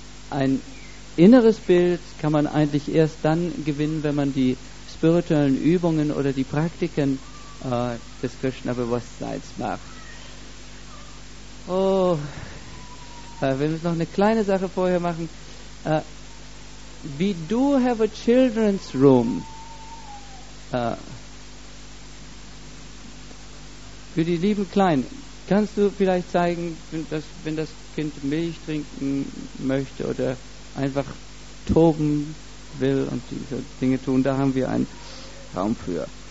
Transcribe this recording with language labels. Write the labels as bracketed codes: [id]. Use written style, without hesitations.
[de] Ein inneres Bild kann man eigentlich erst dann gewinnen, wenn man die spirituellen Übungen oder die Praktiken des Krishna-Bewusstseins macht. Oh, wir müssen noch eine kleine Sache vorher machen. [en] We do have a children's room. [de] Für die lieben Kleinen, kannst du vielleicht zeigen, wenn das Kind Milch trinken möchte oder einfach toben will und diese Dinge tun, da haben wir einen Raum für.